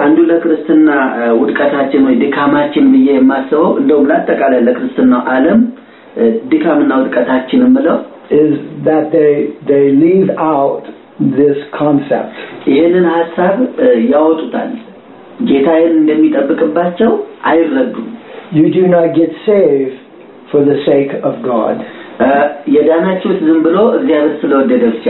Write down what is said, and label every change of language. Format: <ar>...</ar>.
<am>አንዱ ለክርስትና ውድቀታችን ወይ ድካማችን ብዬ የማስበው እንደውም ለተቃለ ለክርስትናው ዓለም ድካምና ውድቀታችንን ብለው</am> <en>is that they leave out this concept.</en> <am>ይሄንን ሐሳብ ያወጡታል. ጌታን እንደሚጠብቅባቸው አይረዱም.</am> <en>You do not get saved for the sake of God.</en> <am>የዳናችሁት ዝም ብሎ እግዚአብሔር ስለወደደ ብቻ</am>